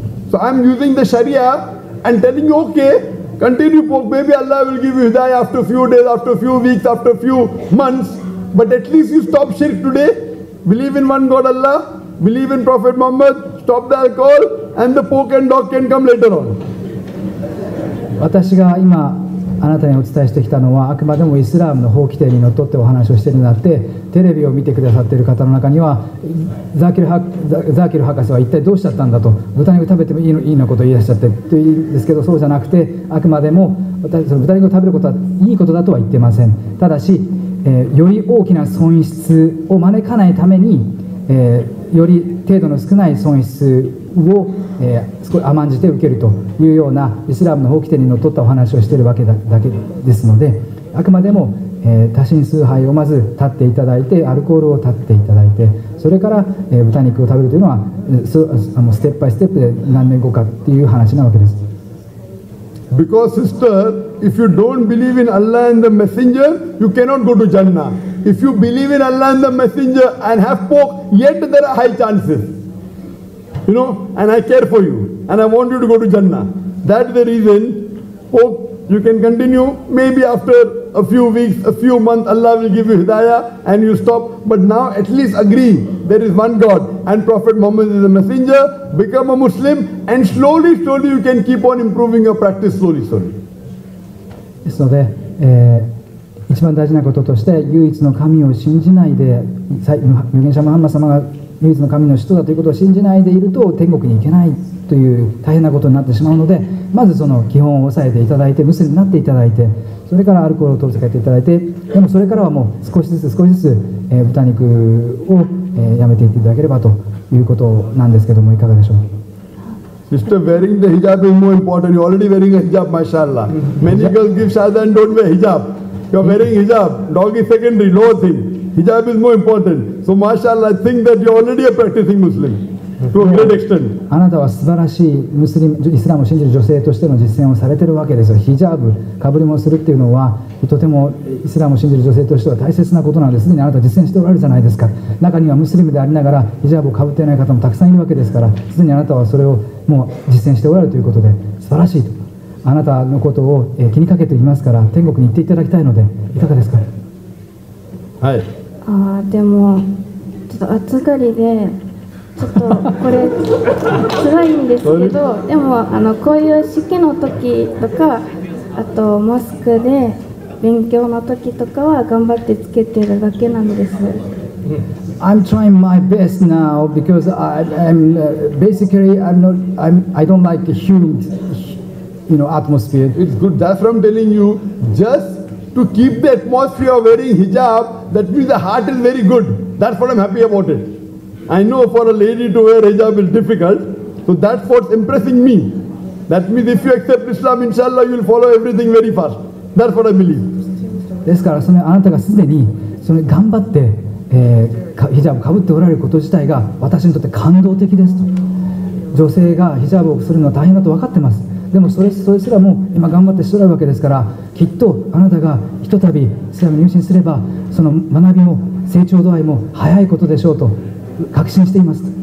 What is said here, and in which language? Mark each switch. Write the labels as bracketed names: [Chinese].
[English] So I'm using the Sharia and telling you, okay, continue pork. Maybe Allah will give you hidayah after a few days, after a few weeks, after a few months. But at least you stop shirk today. Believe in one God Allah. Believe in Prophet Muhammad. Stop the alcohol and the pork and dog can come later on. [Japanese] 私が今あなたにお伝えしてきたのはあくまでもイスラムの法規定にのっとってお話をしているのであって、テレビを見てくださっている方の中にはザキル博士は一体どうしちゃったんだと、豚肉食べてもいいのことを言い出しちゃってって言うんですけど、そうじゃなくて、あくまでも私その豚肉を食べることはいいことだとは言ってません。ただし、より大きな損失を招かないために、より程度の少ない損失を、甘んじて受けるというようなイスラムの法規定にのっとったお話をしているわけだけですので、あくまでも、多神崇拝をまず断っていただいて、アルコールを断っていただいて、それから、豚肉を食べるというのは、ステップバイステップで何年後かという話なわけです。 [English] Because sister, if you don't believe in Allah and the messenger, you cannot go to Jannah. If you believe in Allah and the messenger and have pork, yet there are high chances. You know, and I care for you, and I want you to go to Jannah. That's the reason, hope you can continue, maybe after a few weeks, a few months, Allah will give you hidayah, and you stop. But now at least agree, there is one God, and Prophet Muhammad is the messenger, become a Muslim, and slowly, slowly, you can keep on improving your practice, slowly, slowly. [Japanese] ですので、一番大事なこととして、唯一の神を信じないで、預言者ムハンマ様が、唯一の神の使徒だということを信じないでいると天国に行けないという大変なことになってしまうので、まずその基本を押さえていただいて、ムスリムになっていただいて、それからアルコールを取り付けていただいて、でもそれからはもう少しずつ少しずつ、豚肉を、やめていっていただければということなんですけども、いかがでしょう。 [English] Sister, wearing the hijab is more important. You're already wearing a hijab, mashallah. Many girls give shahada and don't wear hijab. You're wearing hijab. Dog is secondary, lower thing. Hijab is more important. So, mashallah, I think that you're already a practicing Muslim to a great extent. [Japanese] あなたは素晴らしいムスリム、イスラムを信じる女性としての実践をされているわけですよ。ヒジャブ、かぶりもするっていうのは、とてもイスラムを信じる女性としては大切なことなんです。すでにあなた実践しておられるじゃないですか。中にはムスリムでありながら、ヒジャブをかぶっていない方もたくさんいるわけですから、すでにあなたはそれをもう実践しておられるということで、素晴らしいと。あなたのことを気にかけていますから、天国に行っていただきたいので、いかがですか。はい。あーでもちょっと暑がりでちょっとこれ辛いんですけど、でもこういう式の時とか、あとマスクで勉強の時とかは頑張ってつけてるだけなんです。 [English] I'm trying my best now because I'm basically I don't like the humid, you know, atmosphere. It's good. That's what I'm telling you. JustTo keep the atmosphere of wearing hijab, that means the heart is very good. That's what I'm happy about it. I know for a lady to wear hijab is difficult. So that's what's impressing me. That means if you accept Islam, inshallah, you'll follow everything very fast. That's what I believe. [Japanese] ですから、そのあなたがすでにその頑張って、ヒジャブを被っておられること自体が私にとって感動的ですと。女性がヒジャブをするのは大変だと分かってます。でもそれすらも今頑張ってしとられるわけですから、きっとあなたがひとたびイスラムに入信すれば、その学びも成長度合いも早いことでしょうと確信しています。